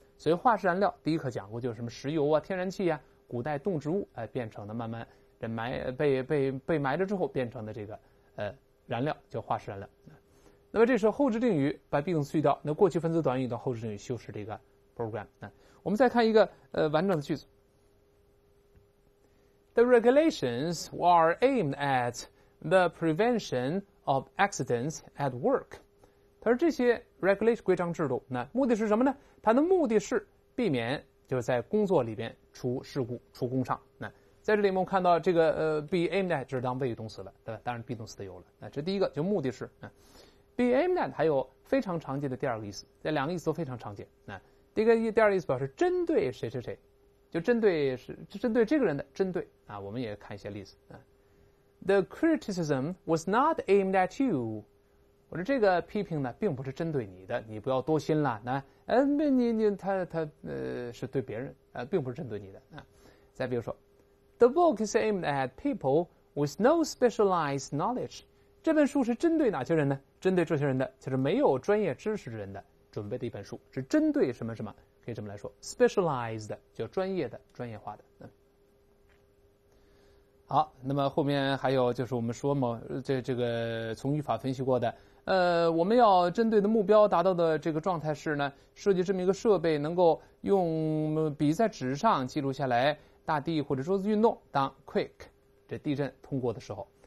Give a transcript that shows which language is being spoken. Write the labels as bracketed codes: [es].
[zh] 所以化石燃料第一课讲过，就是什么石油啊、天然气啊，古代动植物变成的，慢慢被埋了之后变成的这个燃料叫化石燃料。那么这时候后置定语把 be 动词去掉，那过去分词短语到后置定语修饰这个 program。我们再看一个完整的句子。 [en] The regulations are aimed at the prevention of accidents at work. [zh] 他说这些 regulation 规章制度，那目的是什么呢？它的目的是避免就是在工作里边出事故、出工伤。那在这里我们看到这个be aimed at 就是当谓语动词了，对吧？当然 be 动词的有了，那这第一个就目的是，be aimed at 还有非常常见的第二个意思，这两个意思都非常常见。那第一个第二个意思表示针对谁谁谁，就针对是针对这个人的针对啊。我们也看一些例子啊。 [en] The criticism was not aimed at you。 [zh] 我说这个批评呢，并不是针对你的，你不要多心了。那他是对别人啊，并不是针对你的啊。再比如说 [en] ，The book is aimed at people with no specialized knowledge。 [zh] 这本书是针对哪些人呢？针对这些人的，就是没有专业知识的人的准备的一本书，是针对什么什么，可以这么来说 ，specialized 叫专业的、专业化的。好，那么后面还有就是我们说嘛，这个从语法分析过的，我们要针对的目标达到的这个状态是呢，设计这么一个设备，能够用笔在纸上记录下来大地或者桌子运动，当 quake 这地震通过的时候。